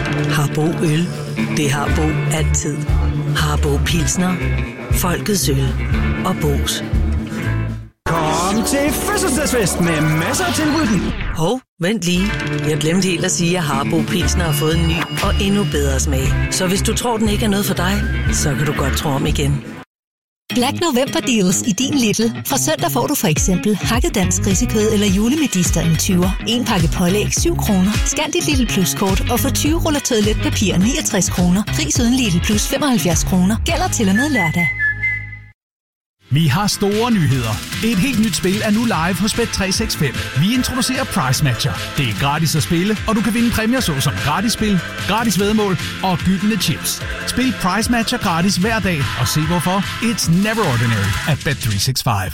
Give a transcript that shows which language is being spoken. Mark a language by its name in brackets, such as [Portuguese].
[Danish] Harbo øl. Det har Bo altid. Harbo pilsner. Folkets øl. Og Bos. Kom til fødselsdagsfest med masser af tilbud. Hov, vent lige. Jeg glemte helt at sige, at Harbo Pilsner har fået en ny og endnu bedre smag. Så hvis du tror, den ikke er noget for dig, så kan du godt tro om igen. Black November Deals i din Lidl. Fra søndag får du for eksempel hakket dansk risikød eller julemedister en 20'er. En pakke pålæg 7 kroner. Scan dit Lidl Plus-kort og få 20 ruller toiletpapir 69 kroner. Pris uden Lidl Plus 75 kroner. Gælder til og med lørdag. Vi har store nyheder. Et helt nyt spil er nu live hos Bet365. Vi introducerer Price Matcher. Det er gratis at spille, og du kan vinde præmier såsom gratis spil, gratis væddemål og gyldne chips. Spil Price Matcher gratis hver dag og se hvorfor. [English] It's never ordinary at Bet365.